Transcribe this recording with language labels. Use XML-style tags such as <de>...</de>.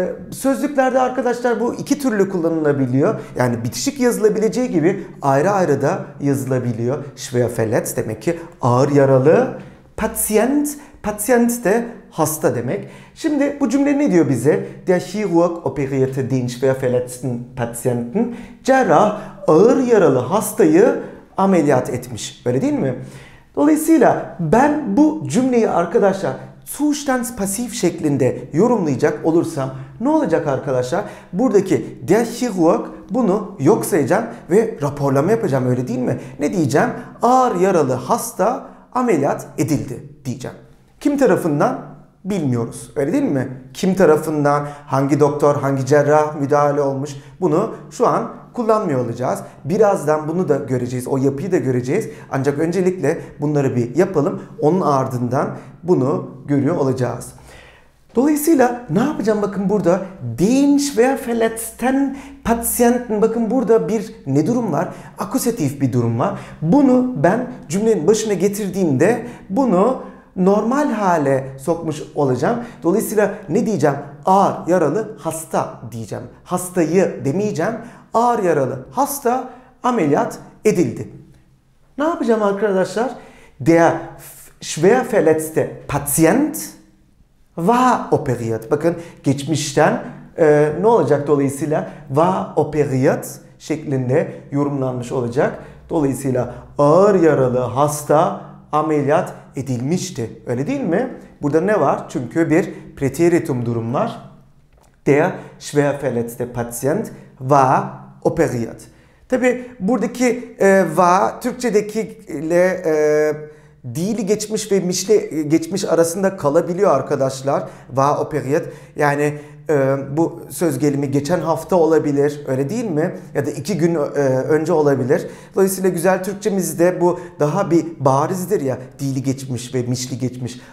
<tr>Sözlüklerde arkadaşlar bu iki türlü kullanılabiliyor. Yani bitişik yazılabileceği gibi ayrı ayrı da yazılabiliyor.</tr> <de>Schwer verletzt</de> <tr>demek ki ağır yaralı. Patient, patient de hasta demek. Şimdi bu cümle ne diyor bize?</tr> <de>Der Chirurg operierte den schwer verletzten Patienten.</de> <tr>Cerrah ağır yaralı hastayı ameliyat etmiş. Öyle değil mi? Dolayısıyla ben bu cümleyi arkadaşlar zustandspassiv şeklinde yorumlayacak olursam ne olacak arkadaşlar? Buradaki der Chirurg, bunu yok sayacağım ve raporlama yapacağım, öyle değil mi? Ne diyeceğim? Ağır yaralı hasta ameliyat edildi diyeceğim. Kim tarafından? Bilmiyoruz. Öyle değil mi? Kim tarafından, hangi doktor, hangi cerrah müdahale olmuş? Bunu şu an kullanmıyor olacağız. Birazdan bunu da göreceğiz. O yapıyı da göreceğiz. Ancak öncelikle bunları bir yapalım. Onun ardından bunu görüyor olacağız. Dolayısıyla ne yapacağım? Bakın burada</tr> <de>den schwer verletzten Patienten.</de> <tr>Bakın burada bir ne durum var? Akusatif bir durum var. Bunu ben cümlenin başına getirdiğimde bunu normal hale sokmuş olacağım. Dolayısıyla ne diyeceğim? Ağır yaralı hasta diyeceğim. Hastayı demeyeceğim. Ağır yaralı hasta ameliyat edildi. Ne yapacağım arkadaşlar?</tr> <de>Der schwer verletzte Patient war operiert.</de> <tr>Bakın geçmişten ne olacak dolayısıyla?</tr> <de>War operiert</de> <tr>şeklinde yorumlanmış olacak. Dolayısıyla ağır yaralı hasta ameliyat edilmişti. Öyle değil mi? Burada ne var? Çünkü bir preteritum durum var.</tr> <de>Der schwerverletzte Patient war operiert.</de> <tr>Tabi buradaki war Türkçedeki ile değil geçmiş ve mişli geçmiş arasında kalabiliyor arkadaşlar.</tr> <de>War operiert.</de> <tr>Yani bu söz gelimi geçen hafta olabilir, öyle değil mi? Ya da iki gün önce olabilir. Dolayısıyla güzel Türkçemizde bu daha bir barizdir ya, dili geçmiş ve mişli geçmiş.</tr>